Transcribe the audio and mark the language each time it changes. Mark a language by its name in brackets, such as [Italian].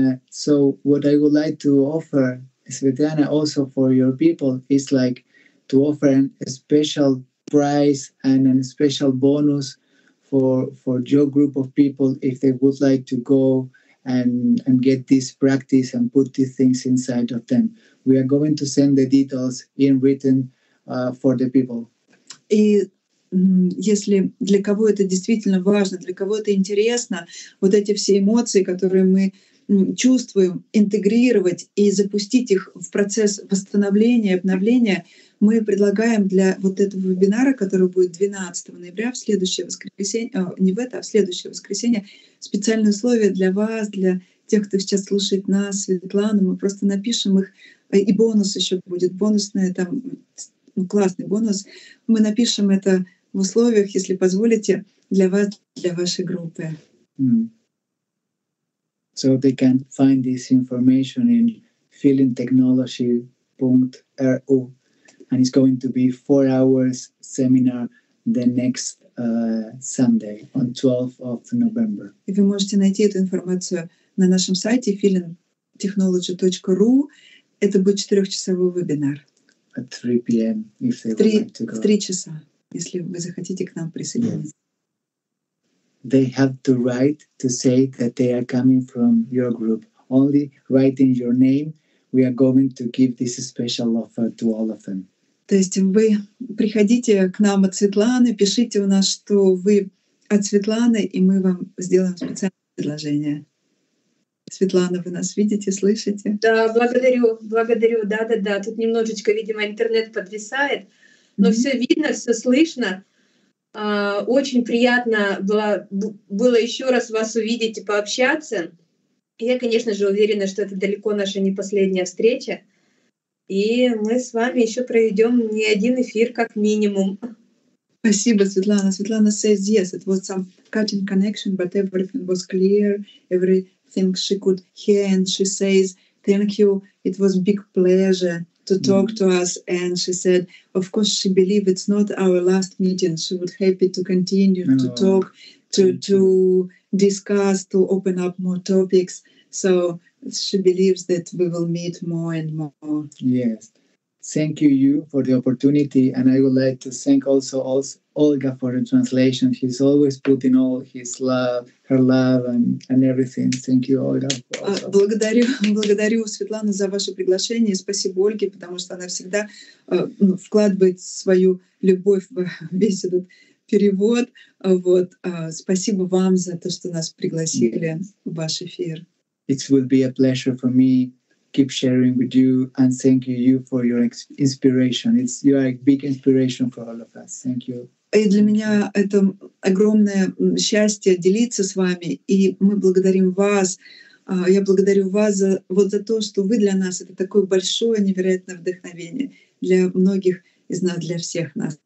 [English] So, what I would like to offer Svetlana, also for your people, is like to offer a special prize and a special bonus for your group of people if they would like to go and get this practice and put these things inside of them. We are going to send the details in written for the people. [Russian] И если для кого это действительно важно, для кого это интересно, вот эти все эмоции, которые мы чувствуем, интегрировать и запустить их в процесс восстановления, обновления, мы предлагаем для вот этого вебинара, который будет 12 ноября, в следующее воскресенье, в следующее воскресенье, специальные условия для вас, для тех, кто сейчас слушает нас, Светлану, мы просто напишем их, и бонус еще будет, бонусный, там, классный бонус, мы напишем это в условиях, если позволите, для вас, для вашей группы. [English] So they can find this information in feelingtechnology.ru, and it's going to be 4 hours seminar the next Sunday on 12th of November. [Russian] И вы можете найти эту информацию на нашем сайте feelingtechnology.ru. Это будет 4-часовой вебинар. [English] At 3 p.m. if they would like to go. [Russian] В 3 часа, если вы захотите к нам присоединиться. [English] Yes. They have to write to say that they are coming from your group. Only writing your name, we are going to give this special offer to all of them. [Russian] То есть вы приходите к нам от Светланы, пишите у нас, что вы от Светланы, и мы вам сделаем специальное предложение. Светлана, вы нас видите, слышите? Да, благодарю, благодарю. Да-да-да, тут немножечко, видимо, интернет подвисает, но все видно, все слышно. Очень приятно было еще раз вас увидеть и пообщаться. Я, конечно же, уверена, что это далеко наша не последняя встреча. И мы с вами еще проведем не один эфир, как минимум. Спасибо, Светлана. [English] Светлана says yes, it was some cutting connection, but everything was clear, everything she could hear, and she says thank you, it was big pleasure to talk to us, and she said, of course, she believes it's not our last meeting. She would happy to continue to talk, to discuss, to open up more topics. So she believes that we will meet more and more. Yes. Thank you for the opportunity. And I would like to thank also Olga for the translation. She's always putting all his love, her love and everything. Thank you, Olga. [Russian] Благодарю Светлану за ваше приглашение. Спасибо Ольге, потому что она всегда вкладывает свою любовь в весь этот перевод. Спасибо вам за то, что нас пригласили в ваш эфир. [English] It would be a pleasure for me. Keep sharing with you and thank you for your inspiration. You are a big inspiration for all of us. Thank you. [Russian] И для меня это огромное счастье делиться с вами, и мы благодарим вас. Я благодарю вас за то, что вы для нас это такое большое невероятное вдохновение для многих из нас, для всех нас.